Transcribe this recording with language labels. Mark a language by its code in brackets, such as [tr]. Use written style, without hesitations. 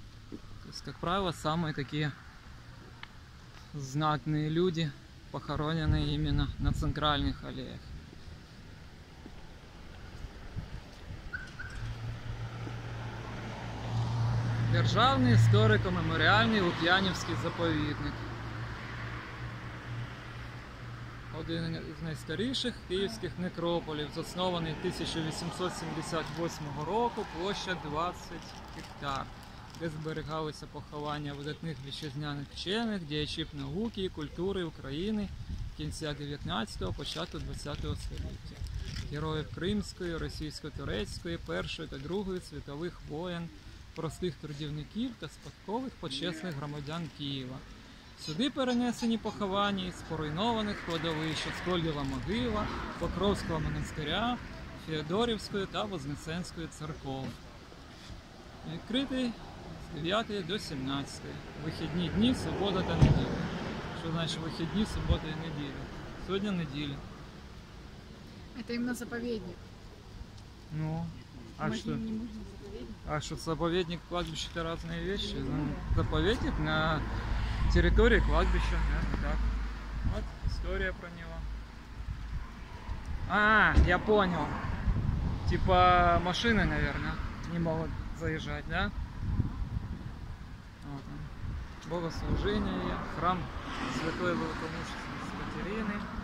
[ru] То есть, как правило, самые такие знатные люди похоронены именно на центральных аллеях. Державный историко-мемориальный Лукьяновский заповедник. [uk] Один из найстарійших київських некрополів, заснований 1878 року, [ru] площадь [uk] 20 гектар, де зберігалися поховання видатних вітчизняних вчених, діячів науки і культури України кінця 19-го, початку 20-го століття, героїв Кримської, російсько-турецької, Першої та Другої світових воєн, простих трудівників та спадкових почесних громадян Києва. Сюди перенесені поховання із поруйнованих кладовищ Аскольдова могила, Покровського монастиря, Феодорівської та Вознесенської церков. Відкритий з 9 до 17. Вихідні дні, субота та неділя. Що значить вихідні, субота і неділя? Сьогодні неділя. [ru] Это именно заповедник. [uk] Ну, а що? А що [ru] заповедник, кладбище [uk] — це різні речі? [ru] Заповедник на территории кладбища, наверное, так. Вот история про него. А, я понял. Типа машины, наверное, не могут заезжать, да? Вот он. Богослужение, храм Святой Великомученицы Екатерины.